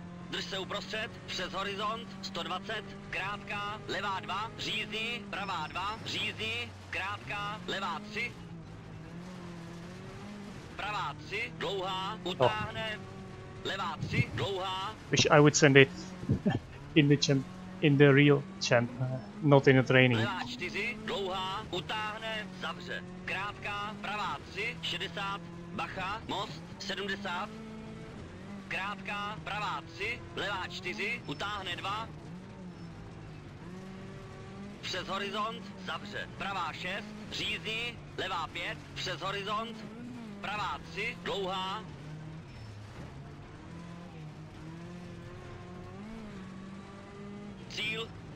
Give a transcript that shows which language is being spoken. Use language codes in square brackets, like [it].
[cs] Drž se uprostřed, přes horizont, 120, krátká, levá 2, řízni, pravá 2, řízni, krátká, levá 3, pravá 3, dlouhá, utáhne, levá 3, dlouhá. [en] Wish I would send it in the champ, in the real champ, not in a training. [cs] Levá 4, dlouhá, utáhne, zavře, krátká, pravá 3, 60, bacha, most, 70. Krátká, pravá 3, levá 4, utáhne 2, přes horizont, zavře, pravá 6, řízni, levá 5, přes horizont, pravá 3, dlouhá, cíl.